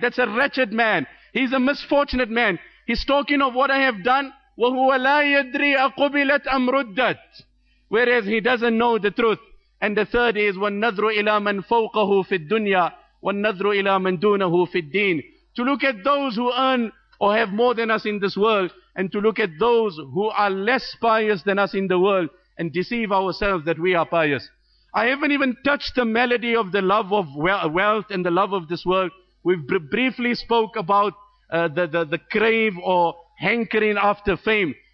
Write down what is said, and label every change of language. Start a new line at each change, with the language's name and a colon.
English: That's a wretched man. He's a misfortunate man. He's talking of what I have done.
Arabic: وَهُوَ لَا يَدْرِي أَقُبِلَتْ أَمْ رُدَّتْ.
English: Whereas he doesn't know the truth. And the third is,
Arabic: وَالنَّذْرُ إِلَى مَنْ فَوْقَهُ فِي الدُّنْيَا وَالنَّذْرُ إِلَى مَنْ دُونَهُ فِي الدِّينِ.
English: To look at those who earn or have more than us in this world, and to look at those who are less pious than us in the world, and deceive ourselves that we are pious. I haven't even touched the melody of the love of wealth and the love of this world. We've briefly spoke about the crave or hankering after fame.